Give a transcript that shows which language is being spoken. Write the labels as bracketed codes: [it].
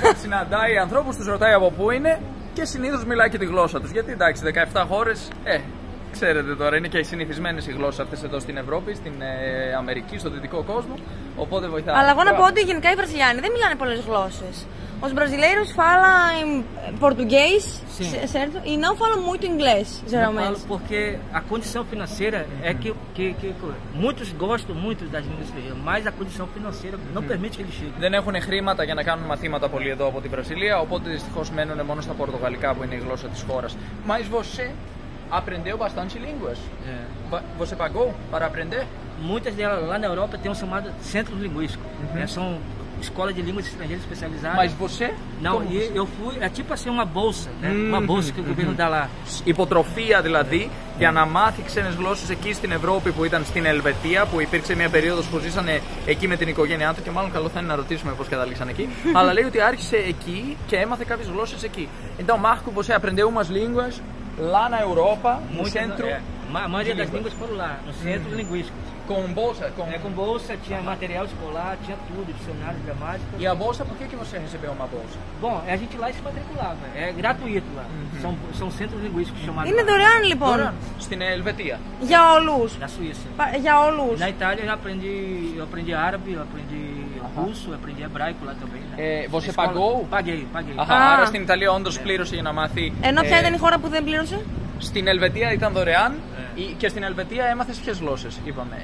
[el] Συναντάει ανθρώπους, τους ρωτάει από πού είναι και συνήθως μιλάει και τη γλώσσα τους. Γιατί εντάξει, 17 χώρες, ξέρετε τώρα, είναι και οι συνηθισμένες οι γλώσσες αυτές εδώ στην Ευρώπη, στην Αμερική, στον δυτικό κόσμο. Οπότε βοηθάει. Αλλά εγώ να πω ότι γενικά οι Βραζιλιάνοι δεν μιλάνε πολλές γλώσσες. [pt] Os brasileiros falam português, certo? E não falam muito inglês, geralmente. Eu falo porque a condição financeira é que muitos gostam muito das línguas estrangeiras, mas a condição financeira não permite que eles cheguem. [el] Δεν έχουν χρήματα για να κάνουν μαθήματα πολύ εδώ από την Βραζιλία, οπότε δυστυχώς μένουν μόνο στα πορτογαλικά που είναι η γλώσσα της χώρας. [pt] Mas você aprendeu bastante línguas? Você pagou para aprender? Muitas delas lá na Europa têm um chamado centro linguístico. Escola de línguas estrangeiras especializada. Mas você? Não, e eu fui, é tipo assim uma bolsa, né? Uma bolsa que o governo dá lá. [el] Hipotrofia, δηλαδή, για να μάθει ξένες γλώσσες εκεί στην Ευρώπη που ήταν στην Ελβετία, που υπήρξε μια περίοδος που ζήσανε εκεί με την οικογένειά του και μάλλον καλό θα είναι να ρωτήσουμε πώς καταλήξαν εκεί. Αλλά λέει ότι άρχισε εκεί και έμαθε κάποιες γλώσσες εκεί. [pt] Então, Marco, você aprendeu umas línguas lá na Europa, no centro? Maioria das línguas foram lá, no centro linguístico. Com bolsa? Com bolsa, tinha material escolar, tinha tudo, dicionário, gramática. E a bolsa, por que você recebeu uma bolsa? Bom, a gente lá se matriculava, é gratuito lá. São centros linguísticos chamados. [el] Είναι δωρεάν, λοιπόν. Στην Ελβετία. Για όλους. [pt] Na Suíça. [el] Για όλους. [pt] Na Itália eu aprendi árabe, eu aprendi russo, eu aprendi hebraico lá também. Você pagou? Paguei. [el] Άρα στην Ιταλία όντως πλήρωσε για να μάθει. Ενώ ποια ήταν η χώρα που δεν πλήρωσε? Στην Ελβετία ήταν δωρεάν. Και στην Ελβετία έμαθες ποιες γλώσσες, είπαμε.